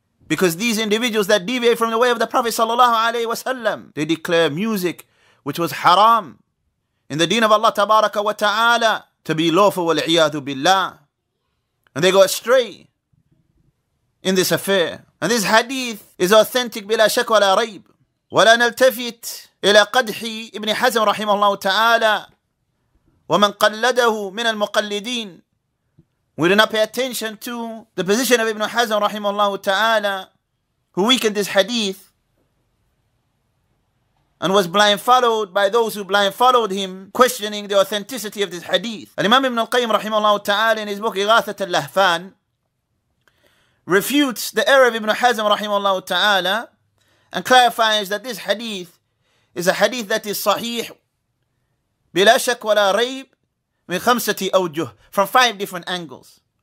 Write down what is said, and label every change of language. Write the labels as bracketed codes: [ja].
[en] Because these individuals that deviate from the way of the Prophet sallallahu alaihi wasallam, they declare music which was haram in the deen of Allah tabaraka wa ta'ala to be lawful [ar] wal iyadu billah. [en] And they go astray in this affair. And this hadith is authentic [ar] bila shak wa la rayb. ولا نلتفت إلى قدح ابن حزم رحمه الله تعالى ومن قلده من المقلدين. [en] We do not pay attention to the position of Ibn Hazm [ar] رحمه الله تعالى, [en] who weakened this hadith and was blind followed by those who blind followed him, questioning the authenticity of this hadith. Imam Ibn Al-Qayyim رحمه الله تعالى in his book إغاثة اللهفان refutes the error of Ibn Hazm رحمه الله تعالى and clarifies that this hadith is a hadith that is sahih [ar] bila shak wala rayb min khamsati awjuh, [en] from five different angles.